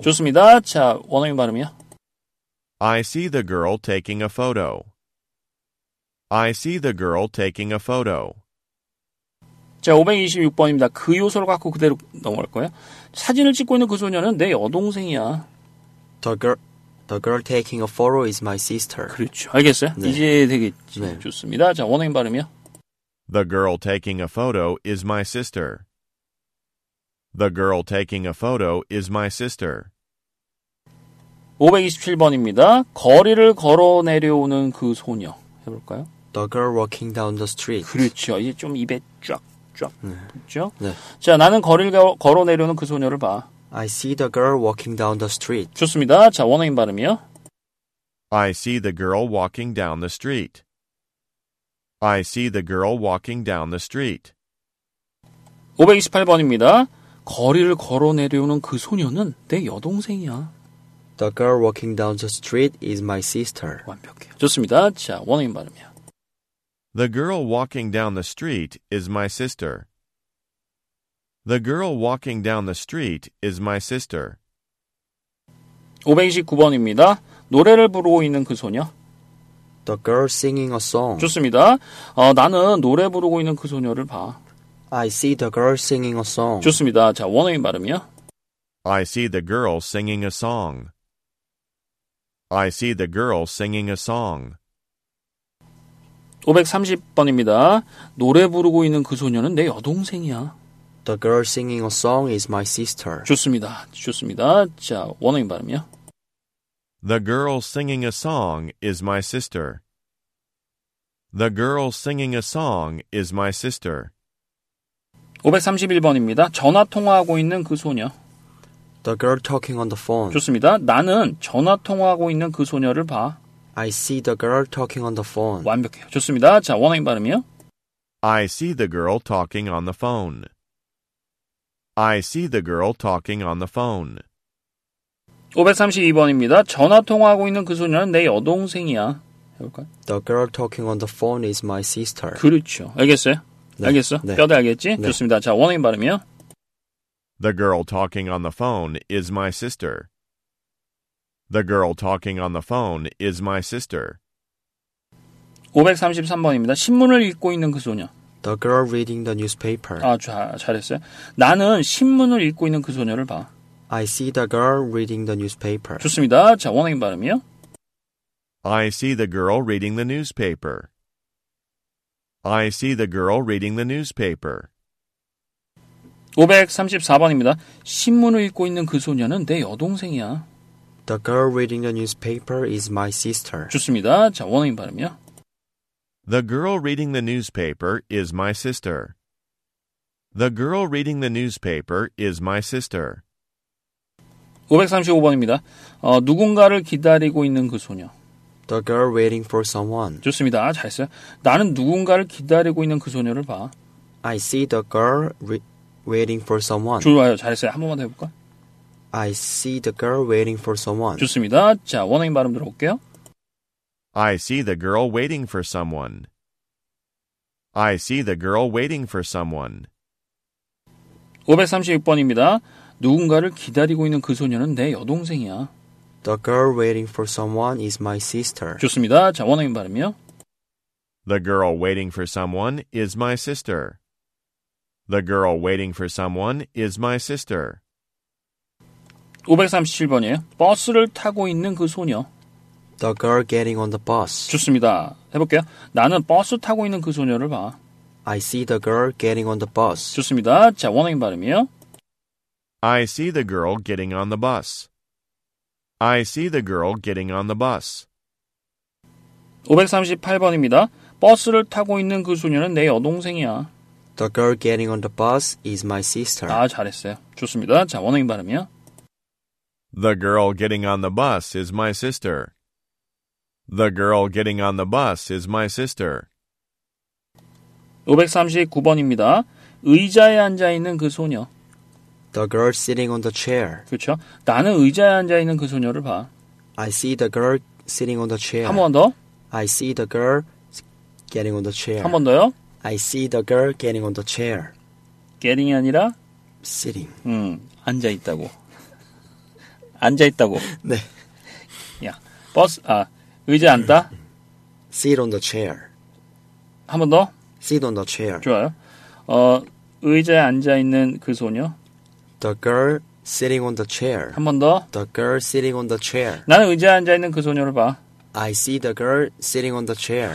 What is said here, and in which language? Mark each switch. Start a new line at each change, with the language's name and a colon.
Korean: 좋습니다. 자, 원어민 발음이요.
English: I see the girl taking a photo. I see the girl taking a photo.
Korean: 자, 526번입니다. 그 요소를 갖고 그대로 넘어갈 거예요. 사진을 찍고 있는 그 소녀는 내 여동생이야.
English: The girl taking a photo is my sister.
Korean: 그렇죠. 알겠어요? 네. 이제 되겠지. 네. 좋습니다. 자, 원어민 발음이요.
English: The girl taking a photo is my sister. The girl taking a photo is my sister.
Korean: 527번입니다. 거리를 걸어 내려오는 그 소녀. 해볼까요?
English: The girl walking down the street.
Korean: 그렇죠. 이제 좀 입에 쫙쫙 붙죠? 네. 자, 나는 거리를 걸어 내려오는 그 소녀를 봐.
English: I see the girl walking down the street.
Korean: 좋습니다. 자, 원어민 발음이요.
English: I see the girl walking down the street. I see the girl walking down the street.
Korean: 528번입니다. 거리를 걸어 내려오는 그 소녀는 내 여동생이야.
English: The girl walking down the street is my sister.
Korean: 완벽해요. 좋습니다. 자, 원어민 발음이요.
English: The girl walking down the street is my sister. The girl walking down the street is my sister.
Korean: 529번입니다. 노래를 부르고 있는 그 소녀.
English: The girl singing a song.
Korean: 좋습니다. 나는 노래 부르고 있는 그 소녀를 봐.
English: I see the girl singing a song.
Korean: 좋습니다. 자, 원어민 발음이요.
English: I see the girl singing a song. I see the girl singing a song.
Korean: 530번입니다. 노래 부르고 있는 그 소녀는 내 여동생이야.
English: The girl singing a song is my sister.
Korean: 좋습니다. 좋습니다. 자, 원어민 발음이요.
English: The girl singing a song is my sister. The girl singing a song is my sister.
Korean: 531번입니다. 전화 통화하고 있는 그 소녀.
English: The girl talking on the phone.
Korean: 좋습니다. 나는 전화 통화하고 있는 그 소녀를 봐.
English: I see the girl talking on the phone.
Korean: 완벽해요. 좋습니다. 자, 원어민 발음이요.
English: I see the girl talking on the phone. I see the girl talking on the phone.
Korean: 532번입니다. 전화 통화하고 있는 그 소녀는 내 여동생이야. 해볼까요?
English: The girl talking on the phone is my sister.
Korean: 그렇죠. 알겠어요? 네. 알겠어? 네. 뼈대 알겠지? 네. 좋습니다. 자, 원어민 발음이요.
English: The girl talking on the phone is my sister. The girl talking on the phone is my sister.
Korean: 533번입니다. 신문을 읽고 있는 그 소녀.
English: The girl reading the newspaper.
Korean: 아, 잘했어요. 나는 신문을 읽고 있는 그 소녀를 봐.
English: I see the girl reading the newspaper.
Korean: 좋습니다. 자, 원어민 발음이요.
English: I see the girl reading the newspaper. I see the girl reading the newspaper.
Korean: 534번입니다. 신문을 읽고 있는 그 소녀는 내 여동생이야.
English: The girl reading the newspaper is my sister.
Korean: 좋습니다. 자, 원어민 발음이요.
English: The girl reading the newspaper is my sister. The girl reading the newspaper is my sister.
Korean: 535번입니다. 누군가를 기다리고 있는 그 소녀.
English: The girl waiting for someone.
Korean: 좋습니다. 잘했어요. 나는 누군가를 기다리고 있는 그 소녀를 봐.
English: I see the girl waiting for someone.
Korean: 좋아요. 잘했어요. 한 번만 더 해볼까?
English: I see the girl waiting for someone.
Korean: 좋습니다. 자, 원어민 발음 들어볼게요.
English: I see the girl waiting for someone. I see the girl waiting for someone.
Korean: 536번입니다. 누군가를 기다리고 있는 그 소녀는 내 여동생이야.
English: The girl waiting for someone is my sister.
Korean: 좋습니다. 자, 원어민 발음이요.
English: The girl waiting for someone is my sister. The girl waiting for someone is my sister.
Korean: 537번이에요. 버스를 타고 있는 그 소녀.
English: The girl getting on the bus.
Korean: 좋습니다. 해볼게요. 나는 버스 타고 있는 그 소녀를 봐.
English: I see the girl getting on the bus.
Korean: 좋습니다. 자, 원어민 발음이요.
English: I see the girl getting on the bus. I see the girl getting on the bus.
Korean: 538번입니다. 버스를 타고 있는 그 소녀는 내 여동생이야.
English: The girl getting on the bus is my sister.
Korean: 아, 잘했어요. 좋습니다. 자, 원어민 발음이요.
English: The girl getting on the bus is my sister. The girl getting on the bus is my sister.
Korean: 539번입니다. 의자에 앉아 있는 그 소녀.
English: The girl sitting on the chair.
Korean: 그렇죠? 나는 의자에 앉아 있는 그 소녀를 봐.
English: I see the girl sitting on the chair.
Korean: 한 번 더.
English: I see the girl getting on the chair.
Korean: 한 번 더요.
English: I see the girl getting on the chair.
Korean: Getting이 아니라
English: sitting.
Korean: 앉아 있다고. 앉아 있다고. 네. 야, 버스 아 의자 앉다.
English: Sit on the chair.
Korean: 한 번 더.
English: Sit on the chair.
Korean: 좋아요. 어 의자에 앉아 있는 그 소녀.
English: The girl sitting on the chair.
Korean: 한 번 더.
English: The girl sitting on the chair.
Korean: 나는 의자에 앉아 있는 그 소녀를 봐.
English: I see the girl sitting on the chair.